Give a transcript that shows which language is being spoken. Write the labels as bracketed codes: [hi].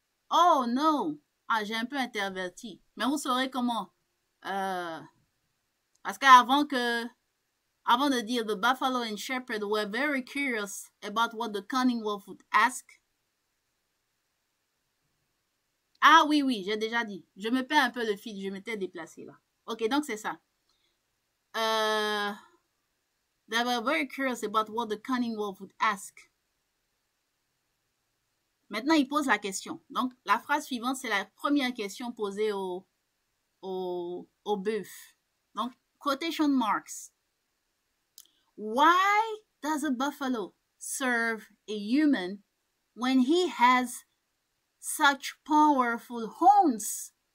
[fr] Oh no, ah, j'ai un peu interverti. Mais vous saurez comment. Parce qu'avant que, avant de dire [en] the buffalo and shepherd were very curious about what the cunning wolf would ask. [fr] Ah oui, oui, j'ai déjà dit. Je me perds un peu le fil, je m'étais déplacée là. Ok, donc c'est ça. [en] They were very curious about what the cunning wolf would ask. [fr] Maintenant, il pose la question. Donc, la phrase suivante, c'est la première question posée au bœuf. Donc, quotation marks. [en] Why does a buffalo serve a human when he has such powerful horns?